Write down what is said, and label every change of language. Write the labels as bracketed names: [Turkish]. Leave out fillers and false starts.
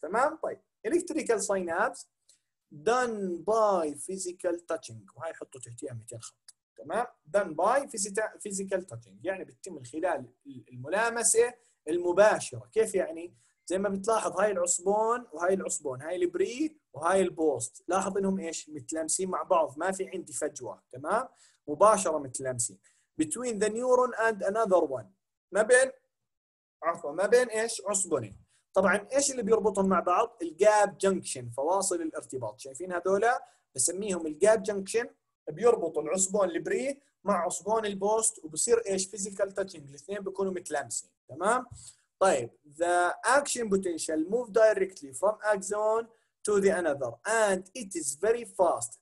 [English] تمام؟ طيب electrical synapse done by physical touching. [Arabic] وهي حطوا تحتيها 200 خط. [English] تمام؟ done by physical touching. [Arabic] يعني بتتم من خلال الملامسة المباشرة. كيف يعني؟ زي ما بتلاحظ هاي العصبون وهاي العصبون هاي البري وهاي البوست لاحظ انهم ايش متلامسين مع بعض ما في عندي فجوة تمام مباشرة متلامسين [English] between the neuron and another one [Arabic] ما بين عفوا ما بين ايش عصبونين. طبعا ايش اللي بيربطهم مع بعض؟ الجاب جنكشن فواصل الارتباط. شايفين هذولا بسميهم الجاب جنكشن بيربط العصبون البري مع عصبون البوست وبصير ايش physical touching الاثنين بيكونوا متلامسين تمام. [English] طيب the action potential move directly from axon to the another and it is very fast.